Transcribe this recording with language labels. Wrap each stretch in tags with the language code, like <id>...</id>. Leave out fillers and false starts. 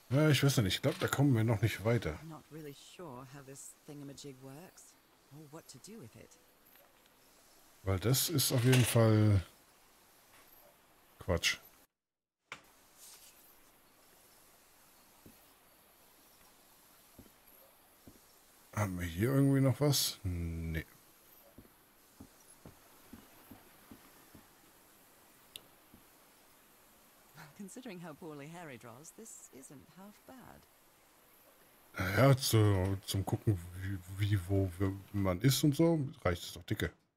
<de>Ich weiß nicht, ich glaube, da kommen wir noch nicht weiter.</de> <en>I'm not really sure how this thingamajig works or what to do with it.</en> <de>Weil das ist auf jeden Fall Quatsch. Haben wir hier irgendwie noch was? Nee.</de> <en>Considering how poorly Harry draws, this isn't half bad.</en> <de>Naja, zum Gucken, wo man ist und so, reicht es doch dicke.</de>